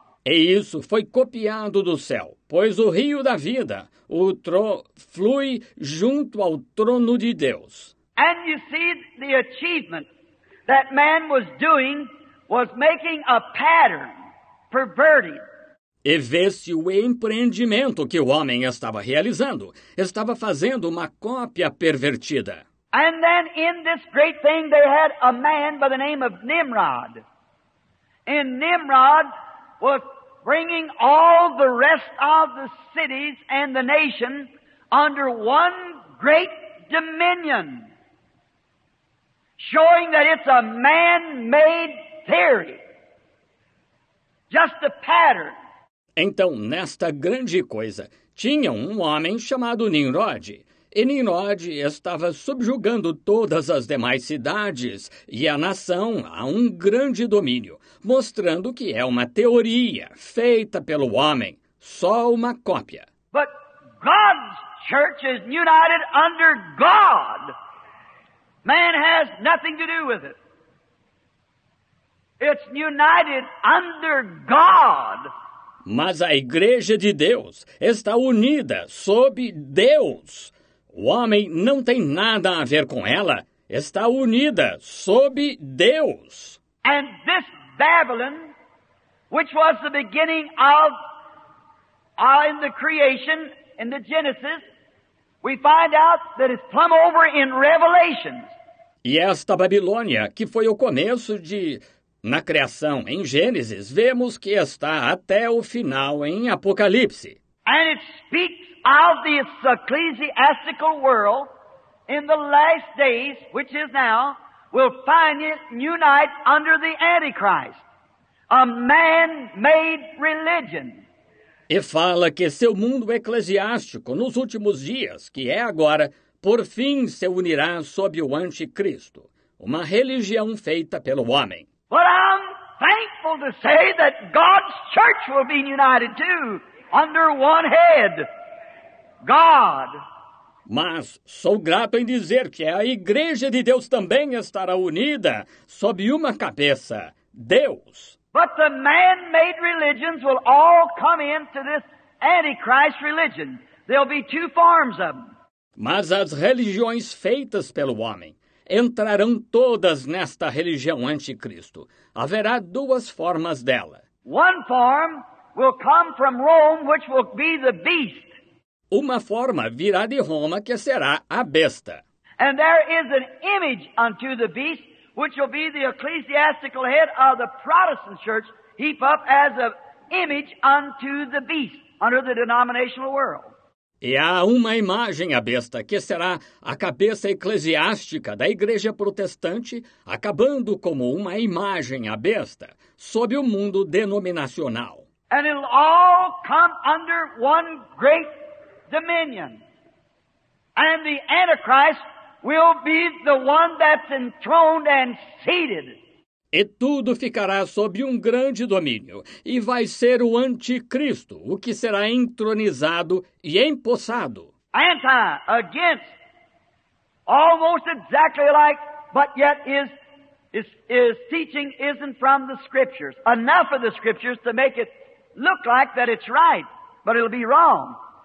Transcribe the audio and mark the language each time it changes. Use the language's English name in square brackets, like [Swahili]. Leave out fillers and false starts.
[Portuguese] E isso foi copiado do céu, pois o rio da vida, flui junto ao trono de Deus. [English] And you see, the achievement that man was doing was making a pattern perverted. [Portuguese] E vê-se o empreendimento que o homem estava realizando, estava fazendo uma cópia pervertida. [English] And then in this great thing, they had a man by the name of Nimrod. And Nimrod was bringing all the rest of the cities and the nation under one great dominion, showing that it's a man-made theory, just a pattern. [Portuguese] Então, nesta grande coisa, tinha um homem chamado Nimrod. E Nimrod estava subjugando todas as demais cidades e a nação a um grande domínio, mostrando que é uma teoria feita pelo homem, só uma cópia. [English] But God's church is united under God. Man has nothing to do with it. It's united under God. [Portuguese] Mas a igreja de Deus está unida sob Deus. O homem não tem nada a ver com ela, está unida sob Deus. [English] And this Babylon, which was the beginning of in the creation, in the Genesis, we find out that it's plumb over in Revelation. [Portuguese] E esta Babilônia, que foi o começo de, na criação, em Gênesis, vemos que está até o final em Apocalipse. [English] And it speaks of this ecclesiastical world in the last days, which is now, will find it unite under the Antichrist, a man-made religion. [Portuguese] E fala que seu mundo eclesiástico nos últimos dias, que é agora, por fim se unirá sob o Anticristo, uma religião feita pelo homem. [English] But I'm thankful to say that God's church will be united too, under one head. God. [Portuguese] Mas sou grato em dizer que a igreja de Deus também estará unida sob uma cabeça, Deus. [English] But the man-made religions will all come into this Antichrist religion. There'll be two forms of them. [Portuguese] Mas as religiões feitas pelo homem entrarão todas nesta religião anticristo. Haverá duas formas dela. [English] One form will come from Rome, which will be the beast. [Portuguese] Uma forma virá de Roma, que será a besta. [English] And there is an image unto the beast, which will be the ecclesiastical head of the Protestant church, heap up as an image unto the beast, under the denominational world. [Portuguese] E há uma imagem à besta, que será a cabeça eclesiástica da igreja protestante, acabando como uma imagem à besta, sob o mundo denominacional. [English] And it'll all come under one great dominion. And the Antichrist will be the one that's enthroned and seated. [Portuguese] E tudo ficará sob um grande domínio, e vai ser o anticristo, o que será entronizado e empossado. [English] Anti, against, almost exactly like, but yet is teaching isn't from the scriptures. Enough of the scriptures to make it look like that it's right, but it'll be wrong.